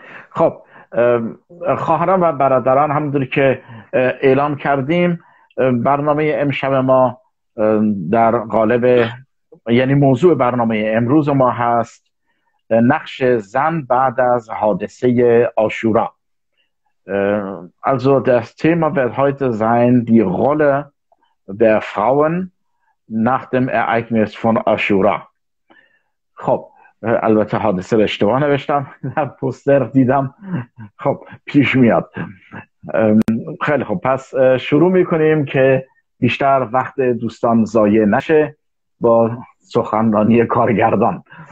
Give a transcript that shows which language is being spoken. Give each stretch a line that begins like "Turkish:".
Persian: خب خواهران و برادران، همونطور که اعلام کردیم برنامه امشب ما در قالب، یعنی موضوع برنامه امروز ما هست، نقش زن بعد از حادثه عاشورا.
German: Also das Thema wird heute sein die Rolle der Frauen nach dem Ereignis von Ashura.
Persian: خب البته حادثه رو اشتباه نوشتم، در پوستر دیدم. خب پیش میاد. خیلی خب، پس شروع میکنیم که بیشتر وقت دوستان ضایع نشه با سخنرانی کارگردان.